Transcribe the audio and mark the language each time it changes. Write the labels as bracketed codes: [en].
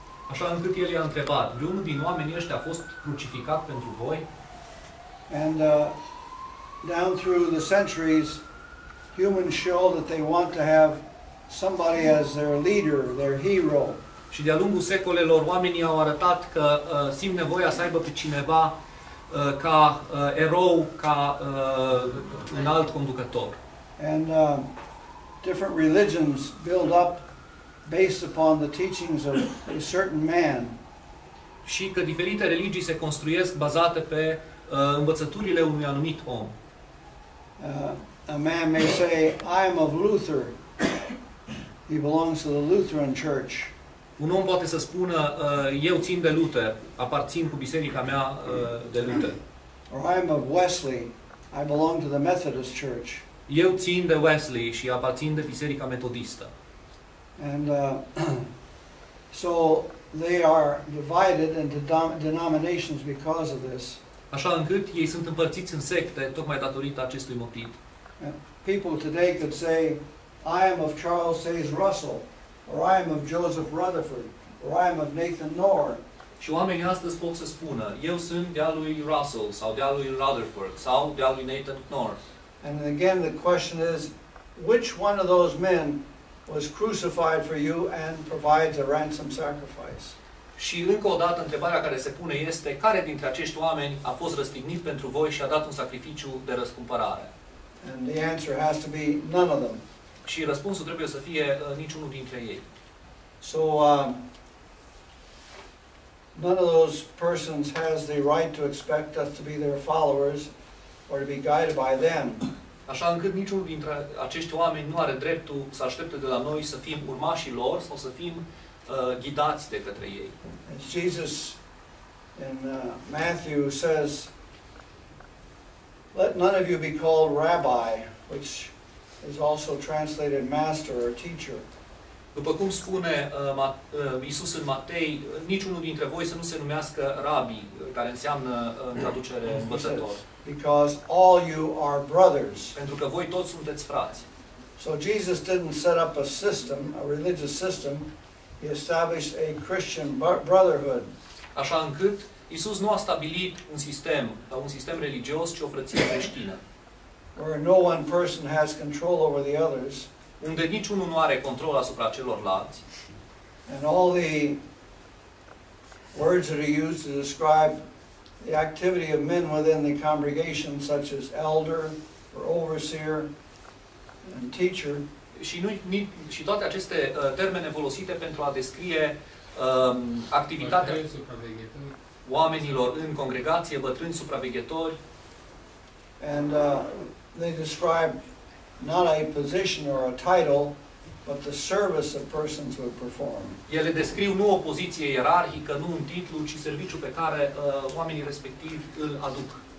[ro] Așa încât el i-a întrebat, vreunul din oamenii ăștia a fost crucificat pentru voi? [en] And down through the centuries, humans show that they want to have somebody as their leader, their hero. [ro] Și de-a lungul secolelor, oamenii au arătat că simt nevoia să aibă pe cineva ca erou, ca un alt conducător. [en] And different religions build up based upon the teachings of a certain man. [ro] Și că diferite religii se construiesc bazate pe învățăturile unui anumit om. [en] A man may say, I am of Luther. He belongs to the Lutheran Church. [ro] Un om poate să spună, eu țin de Luther, aparțin cu biserica mea de Luther. [en] Or I am of Wesley, I belong to the Methodist Church. [ro] Eu țin de Wesley și aparțin de biserica metodistă. [en] And so they are divided into denominations because of this. [ro] Așa încât ei sunt împărțiți în secte tocmai datorită acestui motiv. [en] People today could say, I am of Charles Sayce Russell, or I am of Joseph Rutherford, or I am of Nathan Knorr. [ro] Și oamenii astăzi pot să spună, eu sunt de-a lui Russell, sau de-a lui Rutherford, sau de-a lui Nathan Knorr. [en] And again the question is, which one of those men was crucified for you and provides a ransom sacrifice? [ro] Și încă o dată întrebarea care se pune este, care dintre acești oameni a fost răstignit pentru voi și a dat un sacrificiu de răscumpărare? [en] And the answer has to be none of them. [ro] Și răspunsul trebuie să fie niciunul dintre ei. [en] So none of those persons has the right to expect us to be their followers or to be guided by them. [ro] Așa încât niciunul dintre acești oameni nu are dreptul să aștepte de la noi să fim urmașii lor sau să fim ghidați de către ei. [en] As Jesus in Matthew says, let none of you be called rabbi, which is also translated master or teacher. [ro] După cum spune Iisus în Matei, niciunul dintre voi să nu se numească rabbi, care înseamnă în traducere învățător. [en] Because all you are brothers. [ro] Pentru că voi toți sunteți frați. [en] So Jesus didn't set up a system, a religious system. He established a Christian brotherhood. [ro] Așa încât Iisus nu a stabilit un sistem religios, ci o frăție creștină. [en] Where no one person has control over the others. [ro] Unde niciunul nu are control asupra celorlalți. [en] And all the words that are used to describe the activity of men within the congregation, such as elder or overseer and teacher. [ro] Și toate aceste termene folosite pentru a descrie activitatea oamenilor în congregație, bătrâni, supraveghetori. [en] And they describe not a position or a title, but the service that persons would perform. [ro] Ele descriu nu o poziție ierarhică, nu un titlu, ci serviciul pe care oamenii respectivi îl aduc.